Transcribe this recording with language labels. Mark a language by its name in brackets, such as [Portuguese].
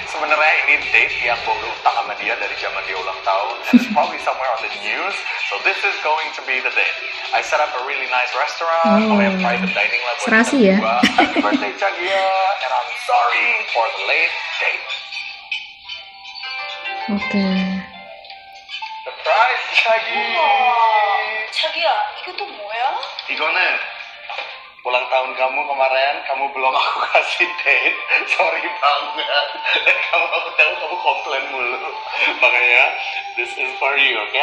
[Indonesian] Sebenarnya ini date yang gue utang sama dia dari zaman dia ulang tahun. [English] And it's probably somewhere on the news. So this is going to be the date. I set up a really nice restaurant. I have private dining level. [Indonesian] Serasi ya. [English] Happy birthday Chagia. And I'm sorry for the late date. Okay. Surprise Chagia. [Indonesian] Chagia, itu tuh moya? [Korean] Igone. [Indonesian] Ulang tahun kamu kemarin, kamu belum aku kasih date. Sorry banget. Dan kamu aku tahu kamu komplain mulu. [English] Makanya, this is for you, okay?